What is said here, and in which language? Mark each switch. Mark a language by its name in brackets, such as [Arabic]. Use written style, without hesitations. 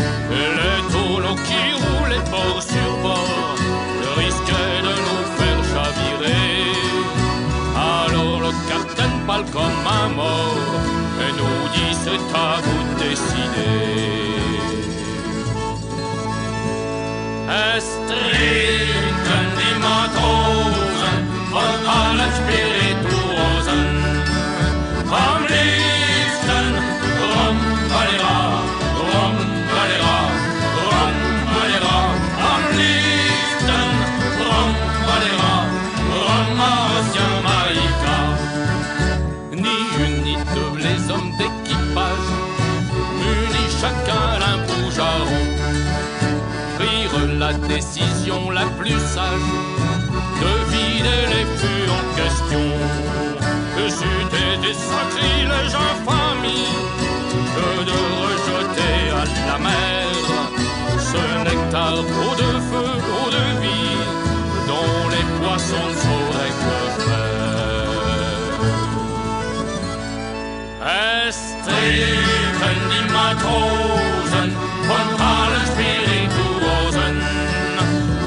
[French] Les tourneaux qui roulaient bord sur bord risquaient de nous faire chavirer. Alors le capitaine parle comme un mort et nous dit c'est à vous de décider. [German] Estrinken die Matrosen von allen Spirituosen. Am liebsten Rum Valera, Rum Valera, Rum Valera. Am liebsten Rum Valera, Rum aus Jamaika. [French] Ni une ni deux, les hommes d'équipage munis chacun d'un poujaron prirent la décision la plus sage de vider les fûts en question. C'eût été sacrilège infamie que de rejeter à la mer ce nectar eau de feu, eau de vie dont les poissons sauraient que faire. [German] Estrinken die Matrosen von allen Spirituosen.